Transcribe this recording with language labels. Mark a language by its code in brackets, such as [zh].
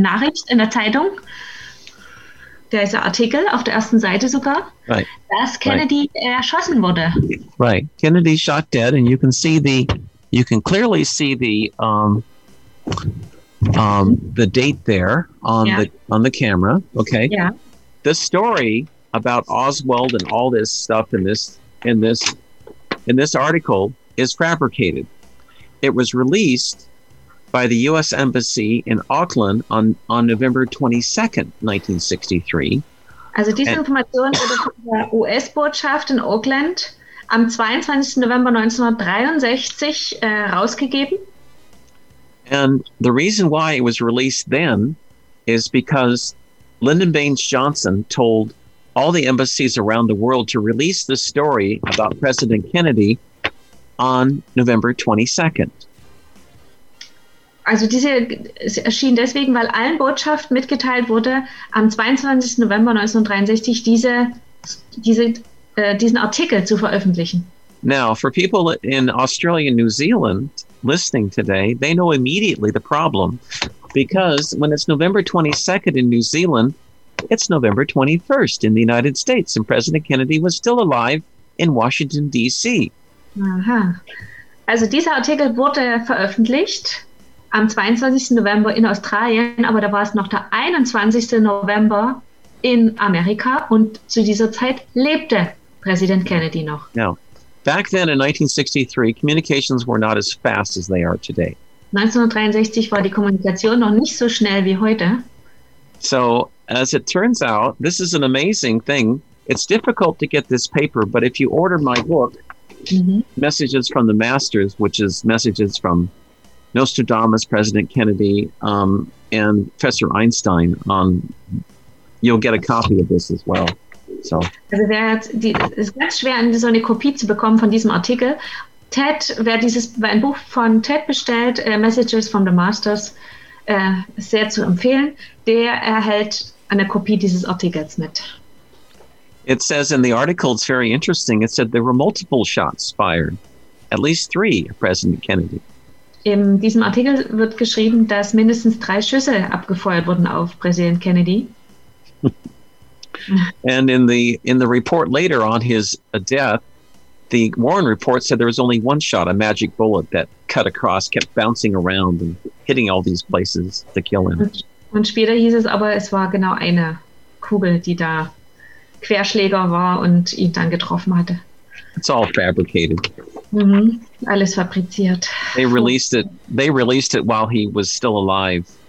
[de] Nachricht in der Zeitung, dieser Artikel auf der ersten Seite sogar, dass Kennedy erschossen wurde. [en] Right. Kennedy shot dead and you can see you can clearly see the date there on the camera, okay? Yeah. The story about Oswald and all this stuff in this article is fabricated. It was released by the U.S. Embassy in Auckland on November 22nd, 1963. [de] Also diese Information wurde von der US-Botschaft in Auckland am 22. November 1963 rausgegeben. [en] And the reason why it was released then is because Lyndon Baines Johnson told all the embassies around the world to release the story about President Kennedy on November 22nd. [de] Also es erschien deswegen, weil allen Botschaften mitgeteilt wurde, am 22. November 1963 diesen Artikel zu veröffentlichen. [en] Now, for people in Australia and New Zealand listening today, they know immediately the problem, because when it's November 22nd in New Zealand, it's November 21st in the United States, and President Kennedy was still alive in Washington, D.C. [de] Aha. Also dieser Artikel wurde veröffentlicht am 22. November in Australien, aber da war es noch der 21. November in Amerika und zu dieser Zeit lebte Präsident Kennedy noch. Ja. [en] Back then in 1963, communications were not as fast as they are today. [de] 1963 war die Kommunikation noch nicht so schnell wie heute. [en] So, as it turns out, this is an amazing thing. It's difficult to get this paper, but if you order my book, Messages from the Masters, which is messages from Nostradamus, President Kennedy, and Professor Einstein, you'll get a copy of this as well. So. [de] Also es ist ganz schwer, so eine Kopie zu bekommen von diesem Artikel. Ted, wer dieses ein Buch von Ted bestellt, Messages from the Masters, sehr zu empfehlen, der erhält eine Kopie dieses Artikels mit. [en] It says in the article, it's very interesting, it said there were multiple shots fired, at least three, President Kennedy. [de] In diesem Artikel wird geschrieben, dass mindestens drei Schüsse abgefeuert wurden auf Präsident Kennedy. [en] And in the report later on his death, the Warren report said there was only one shot, a magic bullet that cut across, kept bouncing around and hitting all these places to kill him. [de] Und später hieß es aber, es war genau eine Kugel, die da Querschläger war und ihn dann getroffen hatte. [en] It's all fabricated. [de] Alles fabriziert. [en] They released it while he was still alive.